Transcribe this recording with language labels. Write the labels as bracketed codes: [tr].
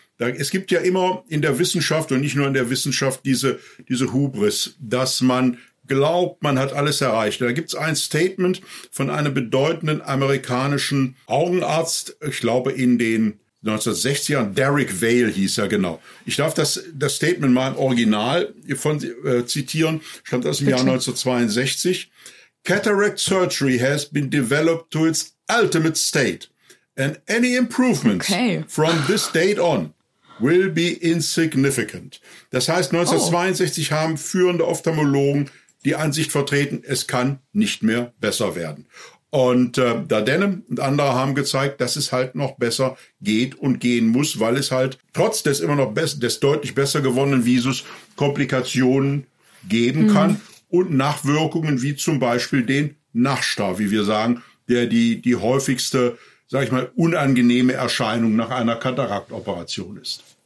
[de] Es gibt ja immer in der Wissenschaft und nicht nur in der Wissenschaft diese Hubris, dass man glaubt, man hat alles erreicht. Da gibt es ein Statement von einem bedeutenden amerikanischen Augenarzt, ich glaube in den 1960ern, Derek Vail hieß er genau. Ich darf das Statement mal im Original zitieren, stammt aus dem Jahr 1962. [en] Cataract surgery has been developed to its ultimate state and any improvements from this date on will be insignificant. [de] Das heißt, 1962 haben führende Ophthalmologen die Ansicht vertreten, es kann nicht mehr besser werden. Und Dardenem und andere haben gezeigt, dass es halt noch besser geht und gehen muss, weil es halt trotz des immer noch des deutlich besser gewonnenen Visus Komplikationen geben kann und Nachwirkungen wie zum Beispiel den Nachstar, wie wir sagen, der die häufigste, sag ich mal, unangenehme Erscheinung nach einer Kataraktoperation ist.